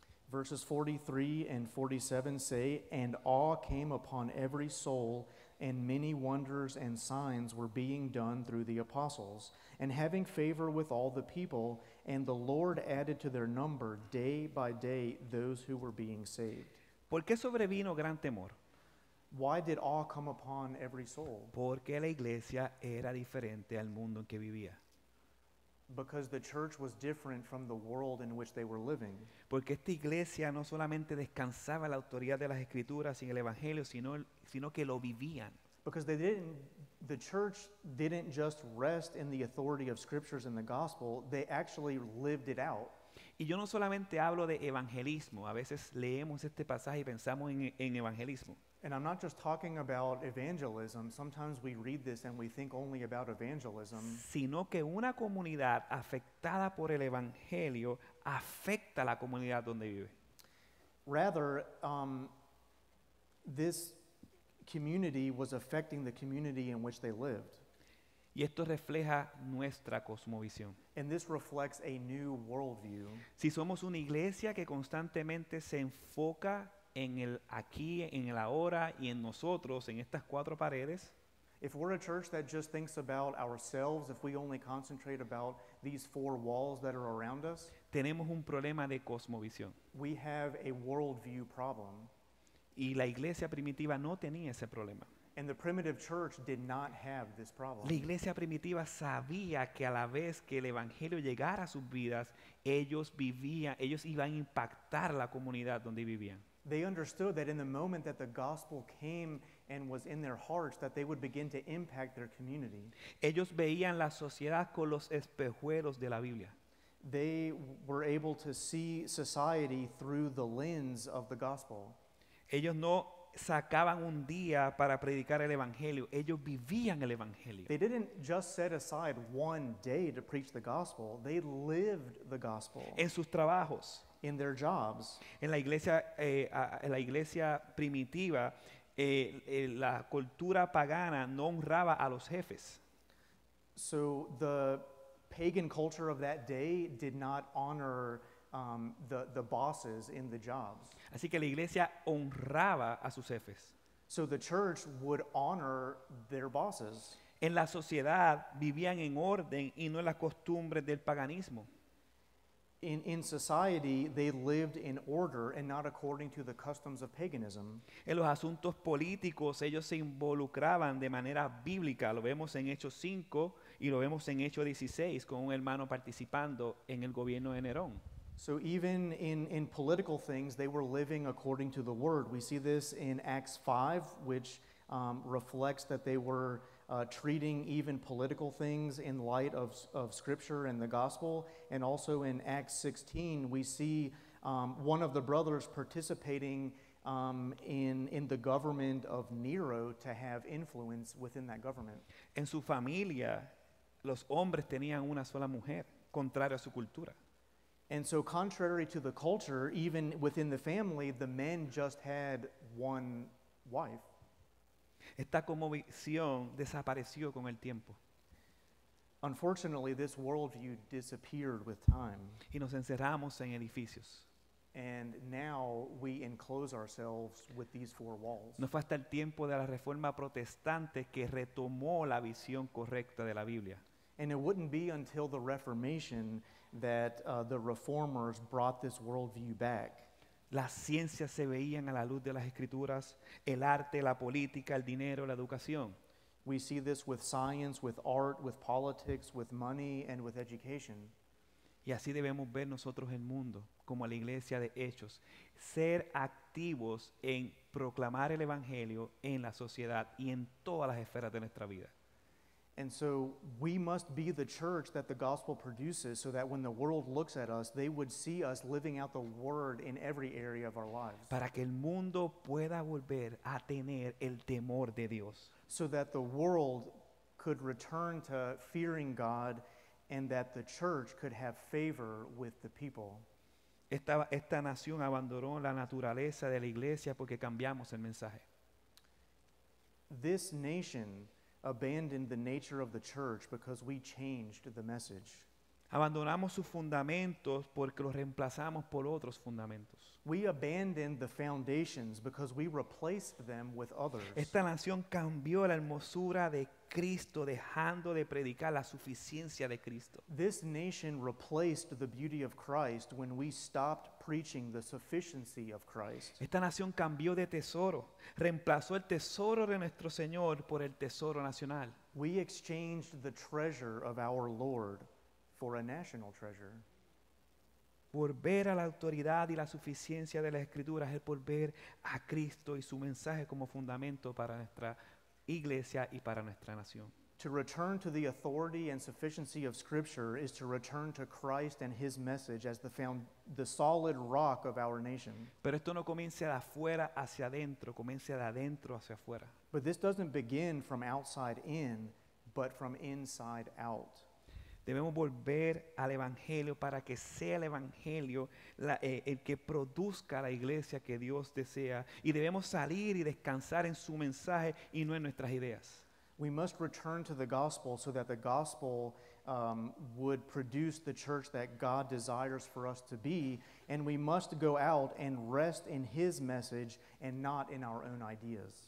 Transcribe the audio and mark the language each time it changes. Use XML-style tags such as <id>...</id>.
<en>Verses 43 and 47 say, "And awe came upon every soul, and many wonders and signs were being done through the apostles. And having favor with all the people, and the Lord added to their number day by day those who were being saved."</en> <es>¿Por qué sobrevino gran temor?</es> <en>Why did awe come upon every soul?</en> <es>Porque la iglesia era diferente al mundo en que vivía.</es> <en>Because the church was different from the world in which they were living.</en> <es>Porque esta iglesia no solamente descansaba la autoridad de las escrituras y el evangelio, sino que lo vivían.</es> <en>Because the church didn't just rest in the authority of scriptures and the gospel, they actually lived it out.</en> <es>Y yo no solamente hablo de evangelismo, a veces leemos este pasaje y pensamos en evangelismo.</es> <en>And I'm not just talking about evangelism. Sometimes we read this and we think only about evangelism.</en> <es>Sino que una comunidad afectada por el evangelio afecta la comunidad donde vive.</es> <en>Rather, this community was affecting the community in which they lived.</en> <es>Y esto refleja nuestra cosmovisión.</es> <en>And this reflects a new worldview.</en> <es>Si somos una iglesia que constantemente se enfoca en el aquí, en el ahora, y en nosotros, en estas cuatro paredes.</es> <en>If we're a church that just thinks about ourselves, if we only concentrate about these four walls that are around us,</en> <es>tenemos un problema de cosmovisión.</es> <en>We have a worldview problem.</en> <es>Y la iglesia primitiva no tenía ese problema.</es> <en>And the primitive church did not have this problem.</en> <es>La iglesia primitiva sabía que a la vez que el evangelio llegara a sus vidas, ellos iban a impactar la comunidad donde vivían.</es> <en>They understood that in the moment that the gospel came and was in their hearts, that they would begin to impact their community.</en> <es>Ellos veían la sociedad con los espejuelos de la Biblia.</es> <en>They were able to see society through the lens of the gospel.</en> <es>Ellos no sacaban un día para predicar el evangelio. Ellos vivían el evangelio.</es> <en>They didn't just set aside one day to preach the gospel. They lived the gospel.</en> <es>En sus trabajos.</es> <en>In their jobs.</en> <es>En la iglesia, primitiva, la cultura pagana no honraba a los jefes.</es> <en>So the pagan culture of that day did not honor the bosses in the jobs.</en> <es>Así que la iglesia honraba a sus jefes.</es> <en>So the church would honor their bosses.</en> <es>En la sociedad vivían en orden y no en las costumbres del paganismo.</es> <en>In society, they lived in order and not according to the customs of paganism.</en> <es>En los asuntos políticos, ellos se involucraban de manera bíblica. Lo vemos en Hechos 5 y lo vemos en Hechos 16 con un hermano participando en el gobierno de Nerón.</es> <en>So even in political things, they were living according to the word. We see this in Acts 5, which reflects that they were treating even political things in light of scripture and the gospel. And also in Acts 16, we see one of the brothers participating in the government of Nero to have influence within that government.</en> <es>En su familia, los hombres tenían una sola mujer, contrario a su cultura.</es> <en>And so contrary to the culture, even within the family, the men just had one wife.</en> <es>Esta convicción desapareció con el tiempo.</es> <en>Unfortunately, this worldview disappeared with time.</en> <es>Y nos encerramos en edificios.</es> <en>And now we enclose ourselves with these four walls.</en> <es>No fue hasta el tiempo de la Reforma Protestante que retomó la visión correcta de la Biblia.</es> <en>And it wouldn't be until the Reformation that the reformers brought this worldview back.</en> <es>Las ciencias se veían a la luz de las escrituras, el arte, la política, el dinero, la educación.</es> <en>We see this with science, with art, with politics, with money, and with education.</en> <es>Y así debemos ver nosotros el mundo, como la iglesia de Hechos, ser activos activos en proclamar el evangelio en la sociedad y en todas las esferas de nuestra vida.</es> <en>And so we must be the church that the gospel produces so that when the world looks at us, they would see us living out the word in every area of our lives.</en> <es>Para que el mundo pueda volver a tener el temor de Dios.</es> <en>So that the world could return to fearing God and that the church could have favor with the people.</en> <es>Esta nación abandonó la naturaleza de la iglesia porque cambiamos el mensaje.</es> <en>This nation abandoned the nature of the church because we changed the message.</en> <es>Abandonamos sus fundamentos porque los reemplazamos por otros fundamentos.</es> <en>We abandoned the foundations because we replaced them with others.</en> <es>Esta nación cambió la hermosura de Cristo, dejando de predicar la suficiencia de Cristo.</es> <en>This nation replaced the beauty of Christ when we stopped preaching the sufficiency of Christ.</en> <es>Esta nación cambió de tesoro, reemplazó el tesoro de nuestro Señor por el tesoro nacional.</es> <en>We exchanged the treasure of our Lord for a national treasure.</en> <es>Volver a la autoridad y la suficiencia de las Escrituras es volver a Cristo y su mensaje como fundamento para nuestra iglesia y para nuestra nación.</es> <en>To return to the authority and sufficiency of Scripture is to return to Christ and His message as the solid rock of our nation.</en> <es>Pero esto no comienza de afuera hacia adentro, comienza de adentro hacia afuera.</es> <en>But this doesn't begin from outside in, but from inside out.</en> <es>Debemos volver al Evangelio para que sea el Evangelio el que produzca la iglesia que Dios desea. Y debemos salir y descansar en su mensaje y no en nuestras ideas.</es> <en>We must return to the gospel so that the gospel would produce the church that God desires for us to be. And we must go out and rest in His message and not in our own ideas.</en>